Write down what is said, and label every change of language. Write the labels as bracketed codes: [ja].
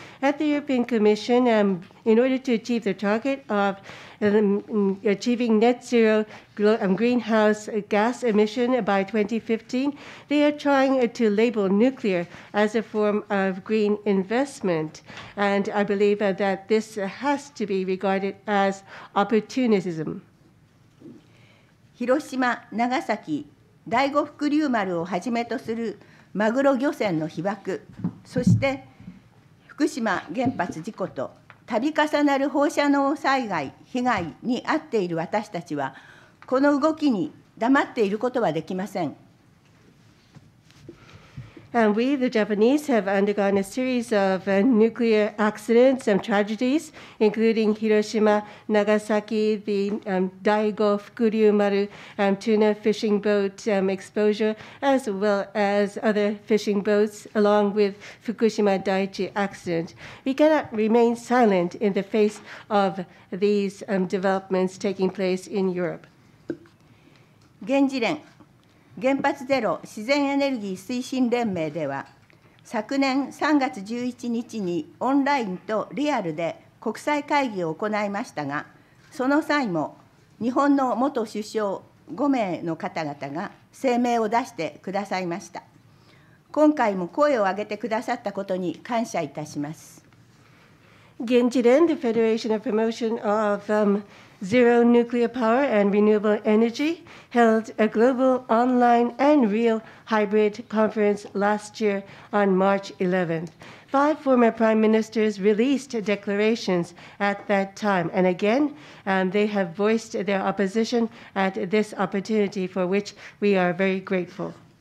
[en] At the European Commission, in order to achieve the target of achieving net zero greenhouse gas emission by 2015, they are trying to label nuclear as a form of green investment. And I believe that this has to be regarded as opportunism. [ja] 広島、長崎、第五福竜丸をはじめとするマグロ漁船の被爆、そして福島原発事故と、度重なる放射能災害被害に遭っている私たちは、この動きに黙っていることはできません。 [en] And we, the Japanese, have undergone a series of nuclear accidents and tragedies, including Hiroshima, Nagasaki, the Daigo Fukuryumaru tuna fishing boat exposure, as well as other fishing boats, along with Fukushima Daiichi accident. We cannot remain silent in the face of these developments taking place in Europe. Genjiren. [ja] 原発ゼロ自然エネルギー推進連盟では、昨年3月11日にオンラインとリアルで国際会議を行いましたが、その際も日本の元首相5名の方々が声明を出してくださいました。今回も声を上げてくださったことに感謝いたします。 [en] Genjiren, the Federation of Promotion of Zero Nuclear Power and Renewable Energy held a global online and real hybrid conference last year on March 11th. Five former prime ministers released declarations at that time, and again, they have voiced their opposition at this opportunity for which we are very grateful.